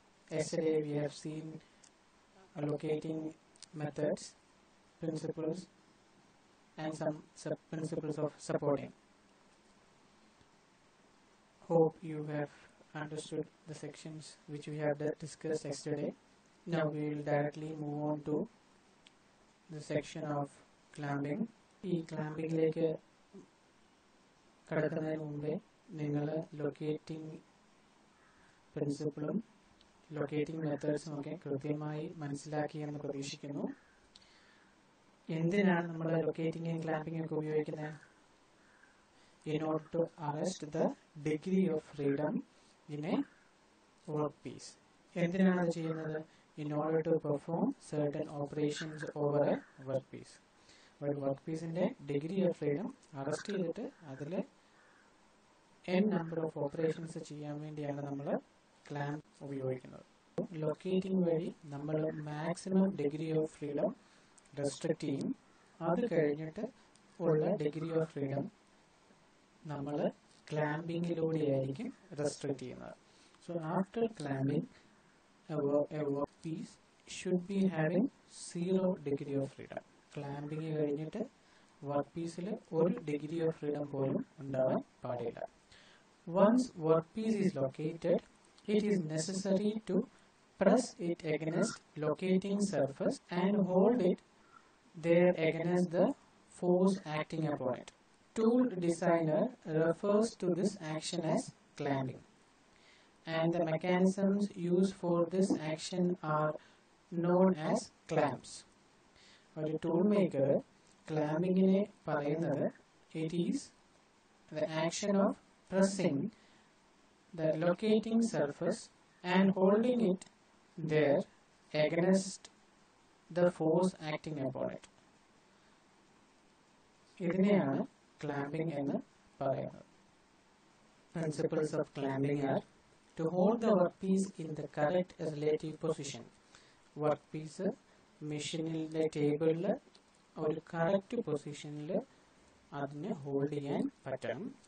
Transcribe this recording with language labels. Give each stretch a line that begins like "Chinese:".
English: Yesterday we have seen allocating methods, principles, and some sub-principles of supporting. Hope you have understood the sections which we have discussed yesterday. Now we will directly move on to the section of clamping.
Malayalam: ഈ ക്ലാമ്പിംഗിലേക്ക് കടക്കുന്നതിന് മുമ്പേ നിങ്ങൾ locating പ്രിൻസിപ്പിളും locating മെത്തേഡ്സും ഒക്കെ കൃത്യമായി മനസ്സിലാക്കി എന്ന് പ്രതീക്ഷിക്കുന്നു. എന്തിനാണ് നമ്മൾ ലൊക്കേറ്റിംഗും ക്ലാമ്പിംഗും ഒക്കെ ഉപയോഗിക്കുന്നത്?
English: In order to arrest the degree of freedom in a workpiece.
Malayalam: എന്തിനാണ് ചെയ്യുന്നത്?
English: In order to perform certain operations over a workpiece.
Malayalam: But workpiece-ന്റെ degree of freedom arrest ചെയ്തിട്ട് അതിൽ n number of operations ചെയ്യാൻ വേണ്ടിയാണ് നമ്മൾ ക്ലാമ്പ് ഉപയോഗിക്കുന്നത്. ലൊക്കേറ്റിംഗ് വഴി നമ്മൾ maximum degree of freedom restrict ചെയ്യും. അത് കഴിഞ്ഞിട്ട് ഉള്ള ഡിഗ്രി ഓഫ് ഫ്രീഡം നമ്മൾ ക്ലാമ്പിംഗിലൂടെയായിരിക്കും റെസ്ട്രിക്റ്റ് ചെയ്യുന്നത്.
English: So after clamping a work piece should be having 0 degree of freedom.
Malayalam: Clamping കഴിഞ്ഞിട്ട് വർക്ക് പീസിൽ 1 ഡിഗ്രി ഓഫ് ഫ്രീഡം പോലും ഉണ്ടാവാൻ പാടില്ല.
English: Once work piece is located it is necessary to press it against locating surface and hold it there against the force acting upon it. Tool designer refers to this action as clamping, and the mechanisms used for this action are known as clamps. For the tool maker, clamping
Malayalam: ne parayunnathu
English: it is the action of pressing the locating surface and holding it there against the force acting upon it.
Malayalam: Idineyana clamping എന്ന് പറയുന്നത്.
English: Principles of clamping are to hold the work piece in the correct relative position.
Malayalam: Work piece മെഷീനിലെ ടേബിളിൽ ഒരു correct പൊസിഷനിൽ അതിനെ hold ചെയ്യാൻ പറ്റണം.